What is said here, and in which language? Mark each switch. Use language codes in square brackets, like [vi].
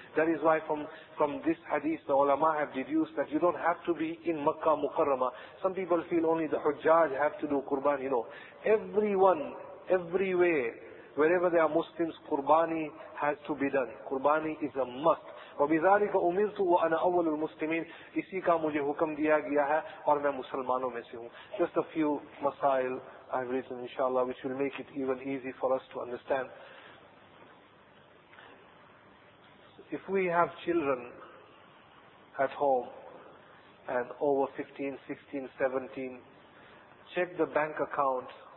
[en] That is why from this hadith the ulama have deduced that you don't have to be in Makkah Mukarramah. Some people feel only the hujjaj have to do qurbani. No. Everyone, everywhere, wherever there are Muslims, qurbani has to be done. Qurbani is a must. [ar] وَبِذَلِكَ أُمِرْتُ وَأَنَا أَوَّلُ الْمُسْلِمِينَ. [ur] اسی کا مجھے حکم دیا گیا ہے اور میں مسلمانوں میں سے ہوں. [en] Just a few masail I have written inshallah which will make it even easy for us to understand. If we have children at home and over 15, 16, 17, check the bank account.